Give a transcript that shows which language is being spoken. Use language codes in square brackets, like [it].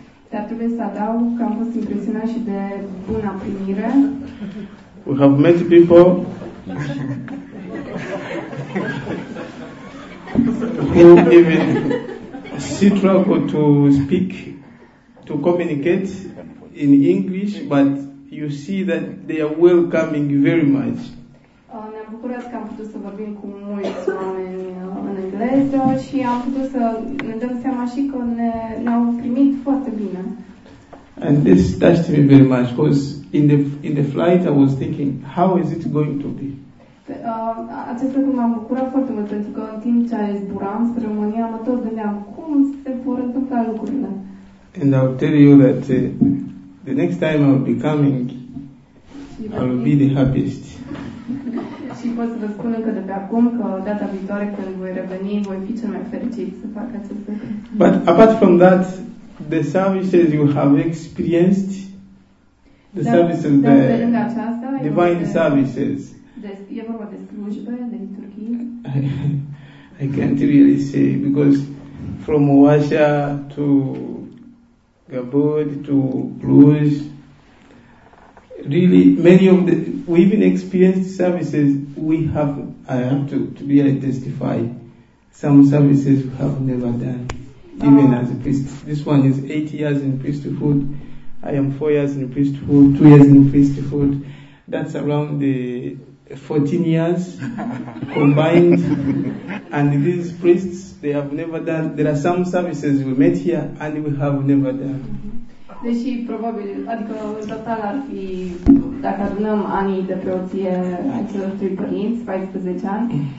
[ro] Dar trebuie să adaug că am fost impresionat și de buna primire. [en] We have met people who even see trouble to speak, to communicate in English, but you see that they are welcoming very much. [ro] Ne-am bucurat că am putut să vorbim cu mulți oameni în engleză și am putut să ne dăm seama și că ne-au primit foarte bine. [en] And this touched me very much, because in the flight I was thinking, how is it going to be? [ro] Acest lucru m-a bucurat foarte mult, pentru că în timp ce zburam spre România, mă tot gândeam cum se vor întâmpla lucrurile. [en] And I'll tell you that the next time I'll be coming, I'll be the happiest. [ro] Și pot să vă spun încă de pe acum că data viitoare când voi reveni, voi fi cel mai fericit să fac acest lucru. [en] But apart from that, the services you have experienced, the services, the divine services. [ro] E vorba de slujbe, de liturghii. [en] I can't really say, because from Oaxaca to Gabon to Cluj, really many of the, we even experienced services we have, I have to really testify, some services we have never done, even as a priest. This one is 8 years in priesthood. I am 4 years in priesthood, 2 years in priesthood. That's around the 14 years combined. And these priests, they have never done. There are some services we met here and we have never done. [ro] Deși probabil, adică în total ar fi, dacă adunăm anii de preoție ai celor trei părinți, 14 ani,